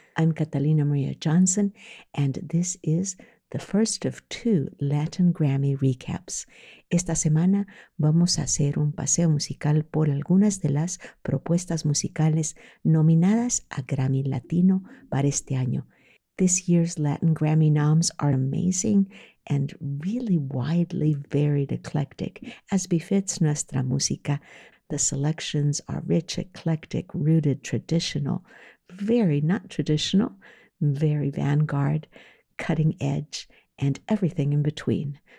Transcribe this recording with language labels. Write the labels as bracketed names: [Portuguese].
[English] I'm Catalina Maria Johnson, and this is the first of two Latin Grammy recaps. [Spanish] Esta semana vamos a hacer un paseo musical por algunas de las propuestas musicales nominadas a Grammy Latino para este año. [English] This year's Latin Grammy noms are amazing and really widely varied, eclectic, as befits [Spanish] nuestra música. [English] The selections are rich, eclectic, rooted, traditional, very not traditional, very vanguard, cutting edge, and everything in between.